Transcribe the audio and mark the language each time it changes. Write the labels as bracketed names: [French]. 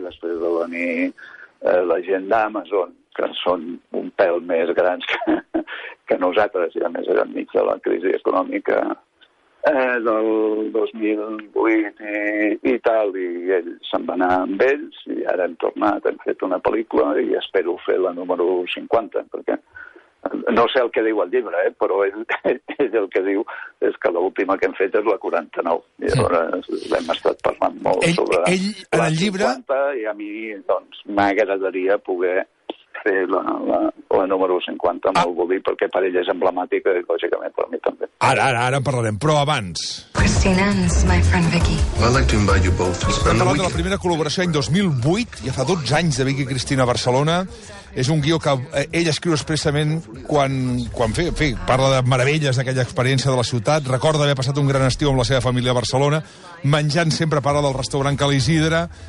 [Catalan] Després de venir la gent d'Amazon, que són un pèl més grans que nosaltres, i a més eren enmig de la crisi econòmica del 2008 i tal, i ell se'n va anar amb ells, i ara hem tornat, hem fet una pel·lícula i espero fer la número 50, perquè no sé el que diu el llibre, però ell el que diu és que l'última que hem fet és la 49, i llavors hem estat parlant molt sobre el llibre, i a mi doncs m'agradaria poder fer la número 50 amb el Woody, perquè per ell és emblemàtic, i lògicament per mi també. Ara en parlarem, però abans... [English] Christine Ann is my friend Vicky. I'd like to invite you both. [Catalan] Hem parlat de la primera col·laboració any 2008, ja fa 12 anys, de Vicky Cristina a Barcelona. És un guió que ell escriu expressament quan parla de meravelles d'aquella experiència de la ciutat. Recorda haver passat un gran estiu amb la seva família a Barcelona, menjant sempre a parada del restaurant Cal Isidre.